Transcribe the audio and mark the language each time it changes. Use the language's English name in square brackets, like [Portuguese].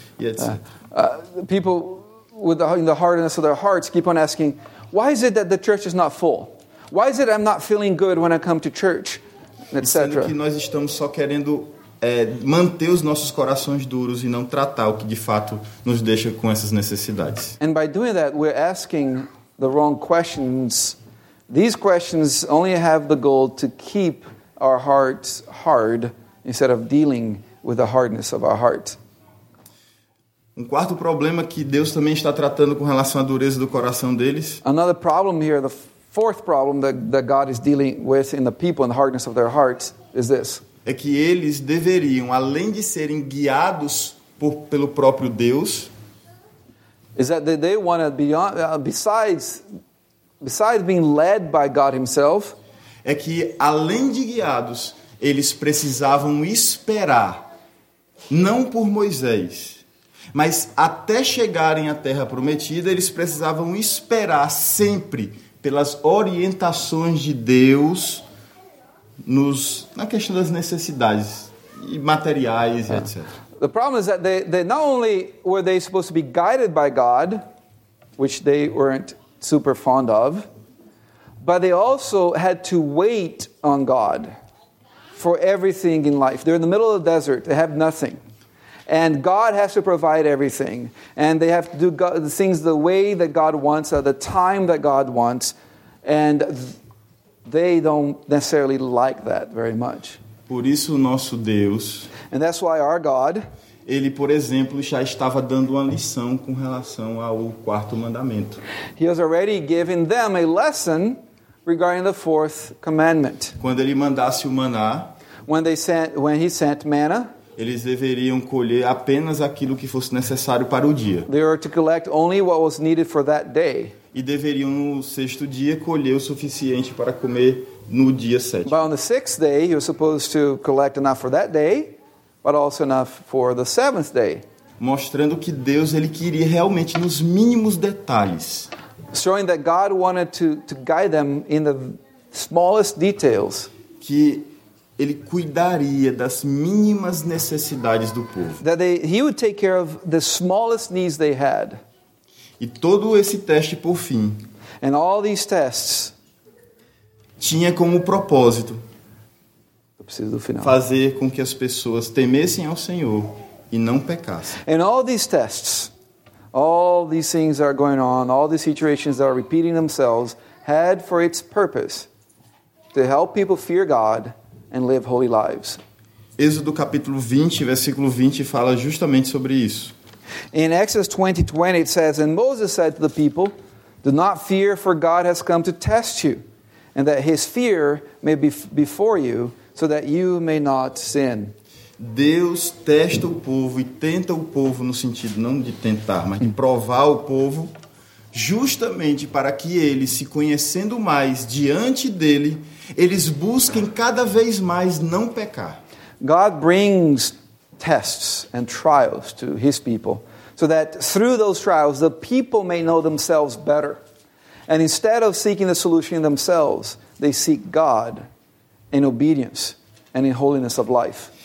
[Portuguese] E etc. [English] People with in the hardness of their hearts keep on asking, why is it that the church is not full? Why is it I'm not feeling good when I come to church? [Portuguese] Etc. E sendo que nós estamos só querendo manter os nossos corações duros e não tratar o que de fato nos deixa com essas necessidades. [English] And by doing that, we're asking the wrong questions. These questions only have the goal to keep our hearts hard instead of dealing with the hardness of our heart. [Portuguese] Um quarto problema que Deus também está tratando com relação à dureza do coração deles. [English] Another problem here, the fourth problem that God is dealing with in the people and the hardness of their hearts is this. [Portuguese] É que eles deveriam, além de serem guiados pelo próprio Deus, [English] is that they want to be on, besides being led by God himself, [Portuguese] é que além de guiados, eles precisavam esperar não por Moisés, mas até chegarem à terra prometida, eles precisavam esperar sempre pelas orientações de Deus na questão das necessidades e materiais, etc. [English] The problem is that they not only were they supposed to be guided by God, which they weren't super fond of, but they also had to wait on God for everything in life. They're in the middle of the desert, they have nothing. And God has to provide everything. And they have to do the things the way that God wants, at the time that God wants. And they don't necessarily like that very much. [Portuguese] Por isso o nosso Deus, [English] and that's why our God, [Portuguese] ele, por exemplo, já estava dando uma lição com relação ao quarto mandamento. [English] He has already given them a lesson regarding the fourth commandment. [Portuguese] Quando ele mandasse o maná, [English] when he sent manna, [Portuguese] eles deveriam colher apenas aquilo que fosse necessário para o dia. [English] They were to collect only what was needed for that day. [Portuguese] E deveriam no sexto dia colher o suficiente para comer no dia sétimo. [English] But on the sixth day, you're supposed to collect enough for that day, but also enough for the seventh day. [Portuguese] Mostrando que Deus ele queria realmente nos mínimos detalhes. [English] Showing that God wanted to guide them in the smallest details. [Portuguese] Que ele cuidaria das mínimas necessidades do povo. [English] That he would take care of the smallest needs they had. [Portuguese] E todo esse teste por fim. [English] And all these tests [Portuguese] tinha como propósito eu preciso do final. Fazer com que as pessoas temessem ao Senhor e não pecassem. [English] And all these tests, all these things that are going on, all these situations that are repeating themselves had for its purpose to help people fear God and live holy lives. [Portuguese] Êxodo capítulo 20, versículo 20 fala justamente sobre isso. [English] In Exodus 20:20 it says, and Moses said to the people, do not fear, for God has come to test you, and that his fear may be before you, so that you may not sin. [Portuguese] Deus testa o povo e tenta o povo no sentido não de tentar, mas de provar o povo, justamente para que eles, se conhecendo mais diante dele, eles busquem cada vez mais não pecar. [English] God brings tests and trials to his people, so that through those trials the people may know themselves better. And instead of seeking the solution in themselves, they seek God in obedience and in holiness of life.